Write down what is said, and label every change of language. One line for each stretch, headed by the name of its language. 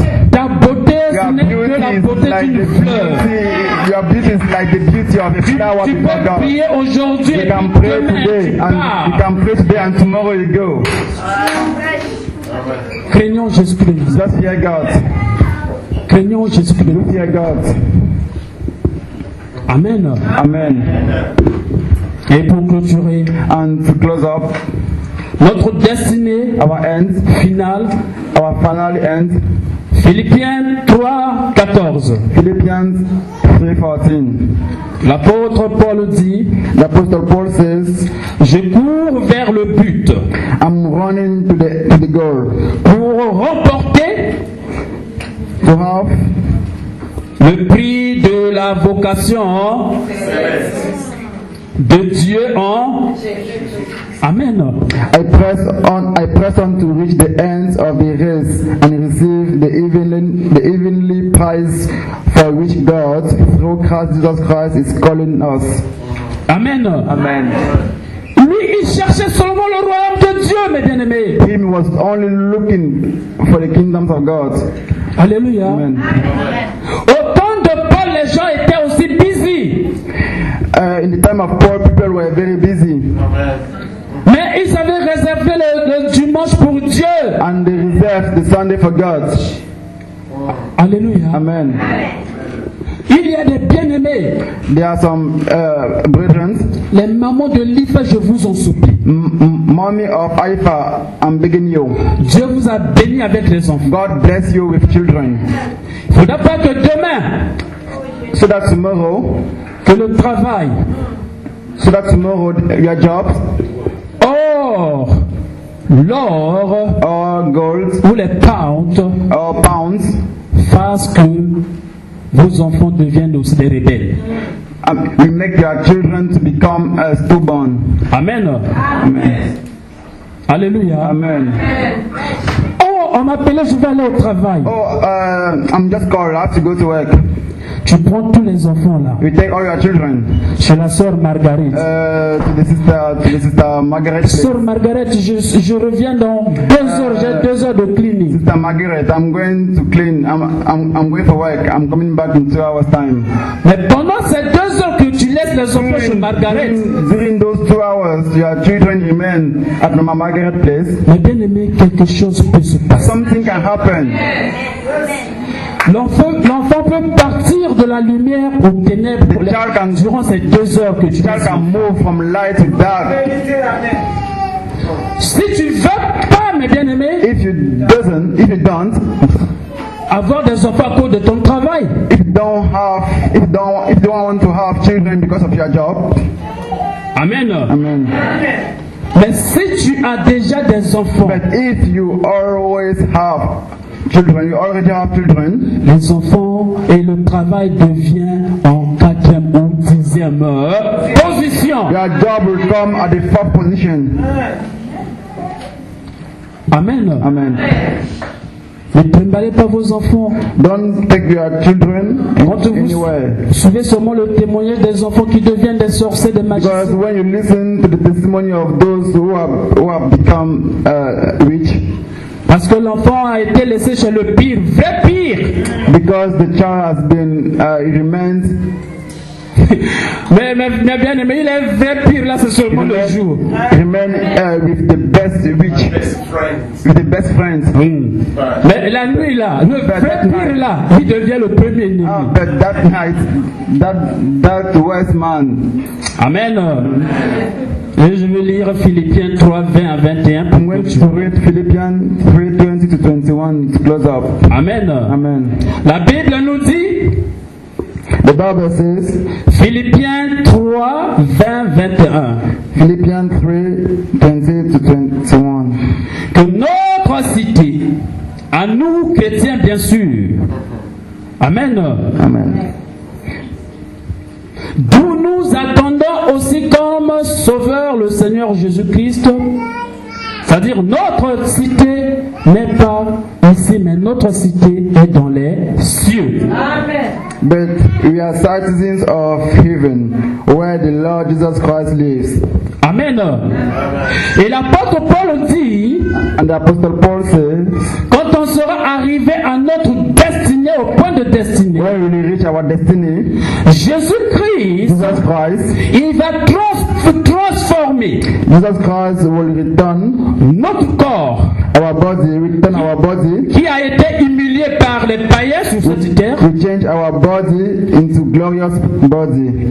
French: Ta beauté, ce n'est que la beauté d'une fleur.
English: Your beauty is like the beauty of a flower before God.
French: Tu peux prier aujourd'hui et demain tu pars.
English: You can pray today and tomorrow you go.
French: Craignons Jésus-Christ de Nazareth.
English: Just fear God.
French: Craignons Jésus-Christ.
English: Look at God. Amen. Amen.
French: Et pour clôturer,
English: and to close up,
French: notre destinée,
English: our end,
French: finale,
English: our final end,
French: Philippiens 3, 14. Philippiens 3, 14. L'apôtre Paul dit,
English: l'apôtre Paul says,
French: je cours vers le but.
English: I'm running to the goal.
French: Pour remporter
English: to have
French: le prix de la vocation de Dieu en amen.
English: I press on to reach the ends of the race and receive the heavenly prize for which God through Christ Jesus Christ is calling us. Amen. Amen.
French: Lui, il cherchait seulement le royaume de Dieu, mes bien-aimés.
English: He was only looking for the kingdoms of God. Alléluia. Amen.
French: Au temps de Paul, les gens étaient aussi busy.
English: In the time of Paul, people were very busy. Amen.
French: Mais ils avaient réservé le dimanche pour Dieu.
English: And they reserved the Sunday for God. Alléluia. Amen.
French: Il y a des bien-aimés.
English: There are some brethren.
French: Les mamans de l'IFA, je vous en supplie.
English: Mommy of IFA, I'm begging you.
French: Dieu vous a béni avec les enfants.
English: God bless you with children.
French: Il ne faudra pas que demain.
English: So that tomorrow.
French: Que le travail.
English: So that tomorrow your job.
French: Or l'or.
English: Or gold.
French: Ou les pounds.
English: Or pounds.
French: Fasse que vos enfants deviennent aussi des rebelles.
English: We make your children to become stubborn. Amen. Amen. Alléluia. Amen.
French: Oh, on m'appelait, je vais aller au travail.
English: Oh, I'm just called. I have to go to work.
French: Tu prends tous les enfants là.
English: We take all your children.
French: Chez la sœur Marguerite.
English: To the sister Margaret.
French: Sœur Margaret, je reviens dans deux heures. J'ai deux heures de cleaning.
English: Sister Margaret, I'm going to clean. I'm going for work. I'm coming back in 2 hours time.
French: Mais pendant ces deux heures que tu laisses les enfants chez Margaret.
English: During those 2 hours, your children remain at Mama Margaret place.
French: Mais bien aimé, quelque chose peut se passer.
English: Something can happen.
French: L'enfant peut partir de la lumière aux ténèbres durant ces deux heures que tu
English: passes. Move from light to dark.
French: Si tu ne veux pas, mes bien-aimés,
English: if you don't,
French: avoir des enfants à cause de ton travail,
English: if you don't want to have children because of your job, amen. Amen.
French: Mais si tu as déjà des enfants,
English: but if you always have children, you already have children.
French: Les enfants et le travail devient en quatrième ou dixième position.
English: Your job will come at the fourth position. Amen. Amen.
French: Ne trimballez pas vos enfants.
English: Don't take your children anywhere.
French: Suivez seulement le témoignage des enfants qui deviennent des sorciers, des magiciens.
English: Because when you listen to the testimony of those who have become rich.
French: Parce que l'enfant a été laissé chez le pire, vrai pire.
English: Because the child has been remains.
French: mais bien aimé, il est vrai pire là, c'est seulement le jour.
English: Remain with the best rich, with the best friends.
French: Mais la nuit là, le vrai pire là, il devient le premier ennemi.
English: But that night, that worst man. Amen.
French: Et je vais lire Philippiens 3, 20 à 21.
English: I'm going to read Philippiens 3, 20 to 21 to close up. Amen. Amen.
French: La Bible nous dit.
English: The Bible says.
French: Philippiens 3, 20, 21.
English: Philippiens 3, 20 to 21.
French: Que notre cité, à nous chrétiens bien sûr. Amen. Amen. D'où nous attendons aussi comme sauveur le Seigneur Jésus-Christ, c'est-à-dire notre cité n'est pas ici, mais notre cité est dans les cieux. Amen.
English: But we are citizens of heaven, where the Lord Jesus Christ lives.
French: Amen. Amen. Et l'apôtre Paul dit,
English: and the apostle Paul says,
French: quand on sera arrivé à notre destinée, au point de destinée,
English: when we reach our destiny,
French: Jésus-Christ, il va transformer.
English: Jesus Christ will return
French: notre corps,
English: our body, return our body,
French: qui a été humilié par les païens sur cette terre.
English: We change our body into glorious body.